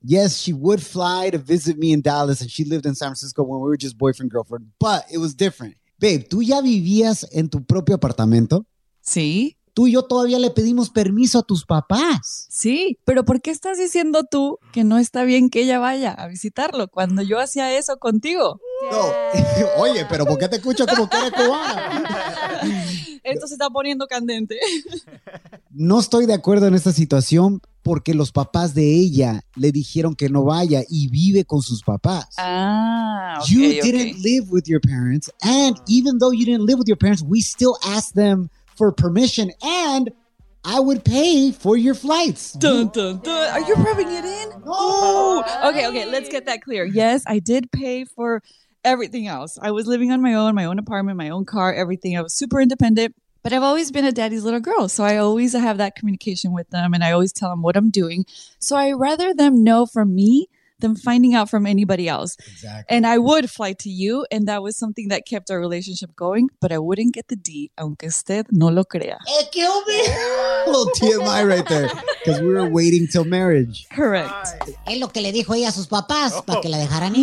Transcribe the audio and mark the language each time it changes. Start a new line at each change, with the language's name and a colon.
English: Yes, she would fly to visit me in Dallas and she lived in San Francisco when we were just boyfriend, girlfriend, but it was different.
Spanish: Babe, ¿tú ya vivías en tu propio apartamento? Sí. Tú y yo todavía le pedimos permiso a tus papás. Sí, pero ¿por qué estás diciendo tú que no está bien que ella vaya a visitarlo cuando yo hacía eso contigo? No, oye, pero ¿por qué te escucho como que eres cubana? Esto se está poniendo candente. No estoy de acuerdo en esta situación porque los papás de ella le dijeron que no vaya y vive con sus papás. Ah, okay.
English: You didn't live with your parents, and even though you didn't live with your parents, we still asked them for permission, and I would pay for your flights. Dun, dun, dun. Are you rubbing it in? No. Okay, let's get that clear. Yes, I did pay for everything else. I was living on my own apartment, my own car, everything. I was super independent, but I've always been a daddy's little girl, so I always have that communication with them, and I always tell them what I'm doing. So I rather them know from me than finding out from anybody else. Exactly. And I would fly to you, and that was something that kept our relationship going, but I wouldn't get the D,
Spanish: aunque usted no lo crea. ¡Eh, qué hombre!
English: A little TMI right there, because we were waiting till marriage. Correct.
Spanish: Es lo que le dijo ella a sus papás, para que la dejaran ir.